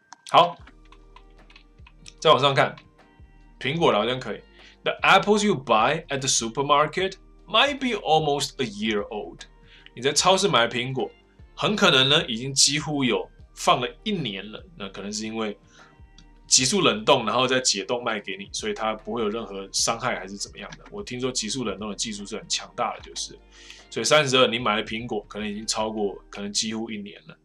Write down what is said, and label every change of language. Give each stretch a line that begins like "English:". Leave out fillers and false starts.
Chinese: 好，再往上看，苹果好像可以。
English: The apples you buy at the supermarket might be almost a year old.
Chinese: 你在超市买的苹果，很可能呢已经几乎有放了一年了。那可能是因为急速冷冻，然后再解冻卖给你，所以它不会有任何伤害还是怎么样的。我听说急速冷冻的技术是很强大的，就是。所以32，你买的苹果可能已经超过，可能几乎一年了。